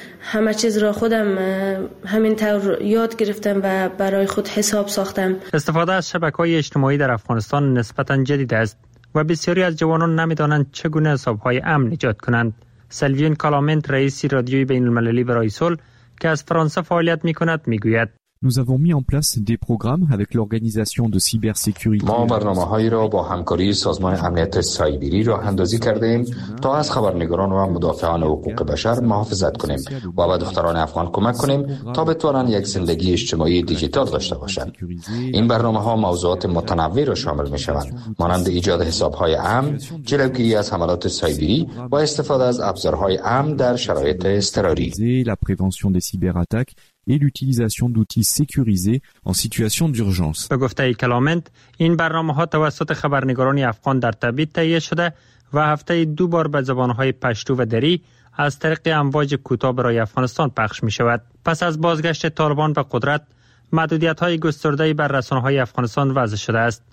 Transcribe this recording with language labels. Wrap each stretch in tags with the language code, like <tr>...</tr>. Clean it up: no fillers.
<fa>همه چیز را خودم همین طور یاد گرفتم و برای خود حساب ساختم. استفاده از شبکه‌های اجتماعی در افغانستان نسبتاً جدید است و بسیاری از جوانان نمی‌دانند چگونه حساب‌های امن ایجاد کنند. سلوین کالامنت، رئیس رادیوی بین‌المللی برای صلح که از فرانسه فعالیت می‌کند، می‌گوید:</fa> <fr>Nous avons mis en place des programmes avec l'organisation de cybersécurité.</fr> <fa>ما برنامه هایی را با همکاری سازمان امنیت سایبری راه اندازی کردیم تا از خبرنگاران و مدافعان حقوق بشر محافظت کنیم و به دختران افغان کمک کنیم تا بتوانند یک زندگی اجتماعی دیجیتال داشته باشند. این برنامه ها موضوعات متنوعی را شامل می شوند، مانند ایجاد حساب های امن، جلوگیری از حملات سایبری و استفاده از ابزارهای امن در شرایط اضطراری.</fa> <fr>La prévention des cyberattaques et l'utilisation d'outils sécurisés en situation d'urgence.</fr> <fa>به گفته کلامنت، این برنامه ها توسط خبرنگاران افغان در تبیت تهیه شده و هفته دو بار به زبانهای پشتو و دری از طریق امواج کوتاه برای افغانستان پخش می شود. پس از بازگشت طالبان به قدرت، محدودیت های گسترده بر رسانه های افغانستان وضع شده است.</fa>